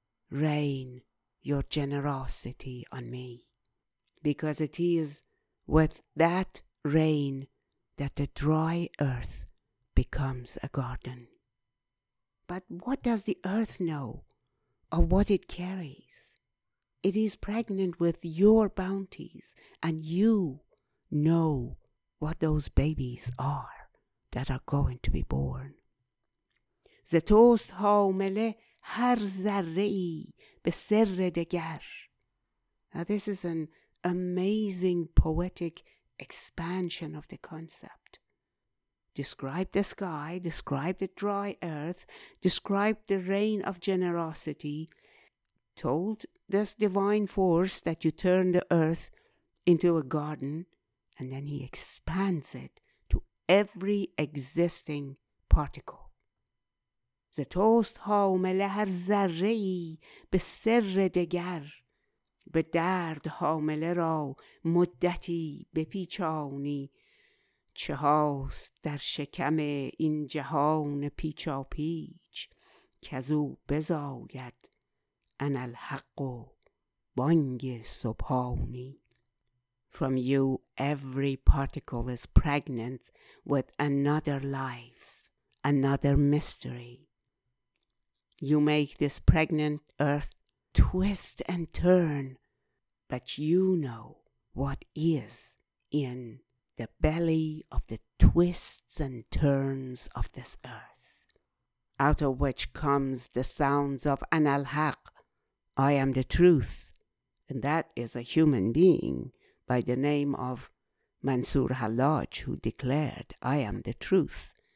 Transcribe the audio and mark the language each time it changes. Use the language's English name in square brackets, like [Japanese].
[English] Rain your generosity on me, because it is with that rain that the dry earth becomes a garden. But what does the earth know of what it carries? It is pregnant with your bounties, and you know what those babies are that are going to be born. [Persian] ز توست حامله هر ذره ای به سر دگر. [English] Now this is an amazing poetic expansion of the concept. Describe the sky, describe the dry earth, describe the rain of generosity, told this divine force that you turn the earth into a garden, and then he expands it to every existing particle. [Persian] ز توست حامله هر ذره ای به سر دگر. به درد حامله را مدتی بپیچانی. چه هاست در شکم این جهان پیچا پیچ که از او بزاید ان الحق و بانگ صبحانی. [English] From you every particle is pregnant with another life, another mystery. You make this pregnant earth twist and turn, but you know what is in the belly of the twists and turns of this earth, out of which comes the sounds of an al-haq, I am the truth, and that is a human being by the name of Mansur Hallaj, who declared, I am the truth,